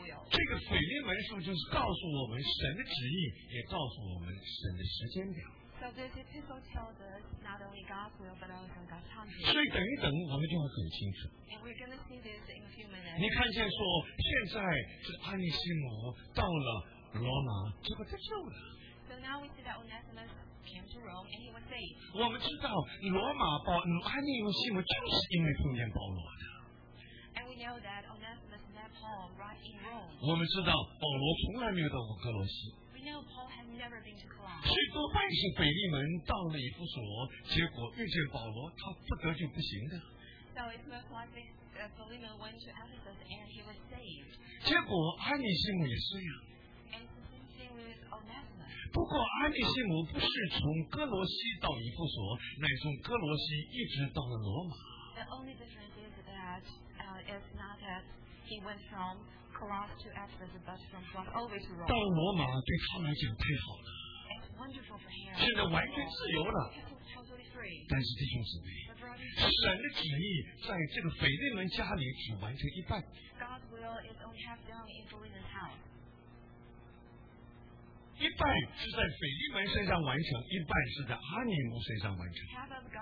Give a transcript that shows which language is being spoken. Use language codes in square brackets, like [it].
[zh] 这个腓立门书就是告诉我们神的旨意，也告诉我们神的时间表。 [en] So this epistle tells us not only God's will, but also God's time. [zh] 所以等一等，我们就会很清楚。 [en] And we're going to see this in a few minutes. [zh] 你看见说，现在是安尼西摩到了罗马，结果得救了。 [en] So now we see that Onesimus came to Rome and he was saved. [zh] 我们知道罗马保安尼西摩就是因为碰见保罗的。 [en] And we know that Onesimus met Paul right in Rome. [zh] 我们知道保罗从来没有到过哥罗西。 [en] We know Paul had never been to. [zh] 最多半是腓立门到了以弗所，结果遇见保罗，他不得就不行的。 [en] So it's most likely Philemon went to Ephesus and he was saved. [zh] 结果安尼西姆也是呀。 [en] And the same thing with Onesimus. [zh] 不过安尼西姆不是从哥罗西到以弗所，乃从哥罗西一直到了罗马。 [en] The only difference is that it's not that he went from Colossae to Ephesus, but from Colossae all the way to Rome. [zh] 到罗马对他来讲太好了。现在完全自由了。但是弟兄姊妹，神的旨意在这个腓利门家里只完成一半。一半是在腓利门身上完成，一半是在阿尼姆身上完成。